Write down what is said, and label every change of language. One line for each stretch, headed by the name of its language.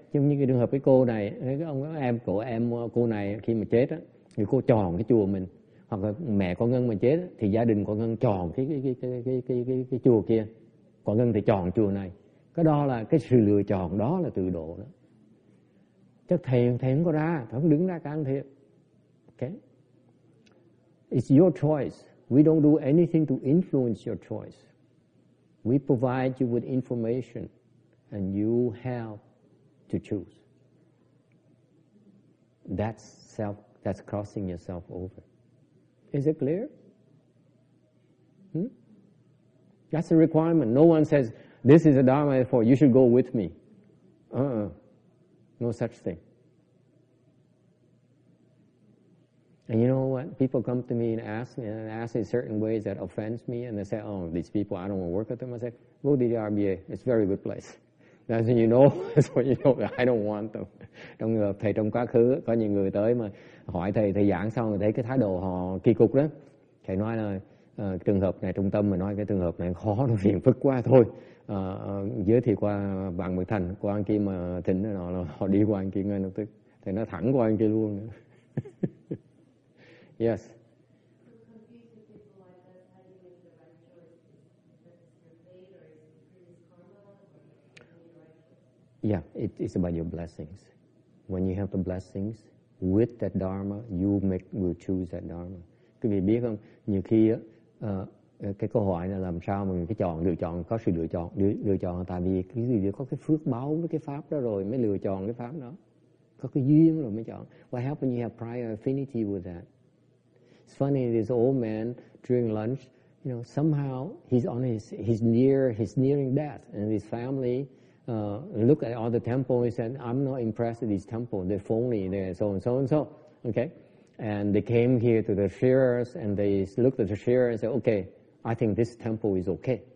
Vietnamese: Trong những cái trường hợp cái cô này, cái ông em cổ em cô này khi mà chết á, thì cô chọn cái chùa mình, hoặc là mẹ con Ngân mà chết á, thì gia đình con Ngân chọn cái chùa kia, con Ngân thì chọn chùa này. Cái đó là cái sự lựa chọn, đó là tự độ đó. Chắc thầy không có ra, thầy không đứng ra can thiệp.
English: Okay. It's your choice. We don't do anything to influence your choice. We provide you with information, and you have to choose. That's self. That's crossing yourself over. Is it clear? That's a requirement. No one says, this is a dharma, therefore you should go with me. No such thing. And you know what? People come to me and ask in certain ways that offends me, and they say, oh, these people, I don't want to work with them. I say, go to the RBA. It's a very good place. That's when you know, I don't want them.
Vietnamese: Trong trường hợp thầy trong quá khứ, có nhiều người tới mà hỏi thầy, thầy giảng xong rồi thấy cái thái độ họ kỳ cục đó. Thầy nói là trường hợp này trung tâm mà nói cái trường hợp này khó, nó phiền phức quá thôi. Giới thiệu qua bạn Mực Thành, qua anh kia mà thỉnh nó là họ đi qua anh kia ngay lập tức. Thầy nói thẳng qua anh kia luôn.
English: Yes. Yeah, it's about your blessings. When you have the blessings with that dharma, you will choose that dharma.
Vietnamese: Quý vị biết không? Nhiều khi cái câu hỏi là làm sao mình cái chọn lựa chọn có sự lựa chọn tại vì quý vị có cái phước báo với cái pháp đó rồi mới lựa chọn cái pháp đó. Có cái duyên rồi mới chọn.
English: What happens when you have prior affinity with that? It's funny, this old man during lunch, you know, somehow he's nearing death, and his family look at all the temples and I'm not impressed with these temples. They're phony, they're so and so and so. Okay? And they came here to the shearers and they looked at the shearers and said, okay, I think this temple is okay.